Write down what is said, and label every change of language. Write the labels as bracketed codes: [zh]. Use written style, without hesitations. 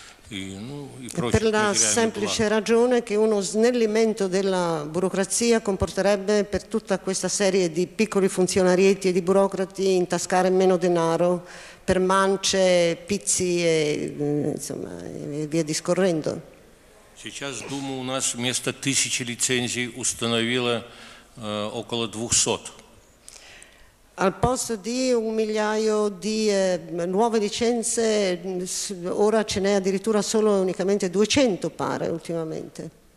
[it] Per la semplice ragione che uno snellimento della burocrazia comporterebbe per tutta questa serie di piccoli funzionarietti e di burocrati intascare meno denaro per mance, pizzi e insomma e via discorrendo. [ru] Сейчас Дума у нас вместо 1000 лицензий установила около 200. [it] Al posto di un migliaio di nuove licenze, ora ce n'è addirittura solo unicamente 200, pare, ultimamente.